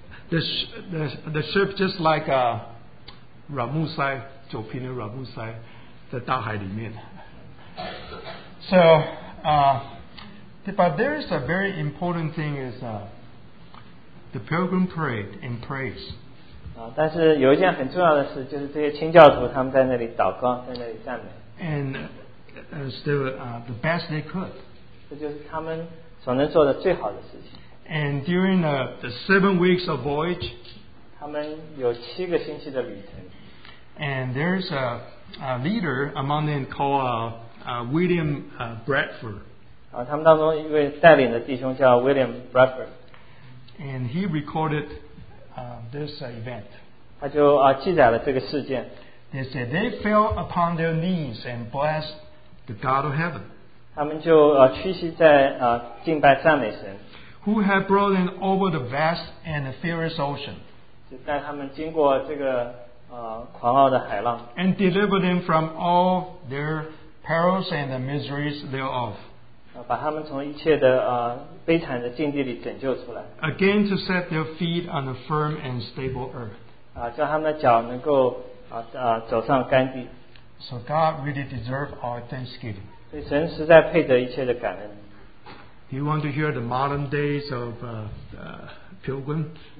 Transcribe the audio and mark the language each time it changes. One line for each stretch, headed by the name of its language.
English: The ship just like Ramusai, Jopin Ramusai, the Dahai Li Min. So, but there is a very important thing is. The pilgrim prayed and praise.
Chinese: 但是有一件很重要的事，就是这些清教徒他们在那里祷告，在那里赞美。
English: And still, the best they could.
Chinese: 这就是他们所能做的最好的事情。
English: And during the 7 weeks of voyage,
Chinese: 他们有7个星期的旅程。
English: And there's a leader among them called William Bradford.
Chinese: 他们当中一位带领的弟兄叫William Bradford。
English: And he recorded this event.
Chinese: 他就记载了这个事件。
English: They said they fell upon their knees and blessed the God of heaven.
Chinese: 他们就屈膝在敬拜赞美神。
English: Who had brought them over the vast and furious ocean.
Chinese: 就带他们经过这个狂傲的海浪。
English: And delivered them from all their perils and the miseries thereof.
Chinese: 把他们从一切的悲惨的境地里拯救出来。
English: Again to set their feet on a firm and stable earth.
Chinese: 叫他们的脚能够走上干地。
English: So God really deserves our thanksgiving.
Chinese: 所以神实在配得一切的感恩。
English: Do you want to hear the modern days of pilgrim?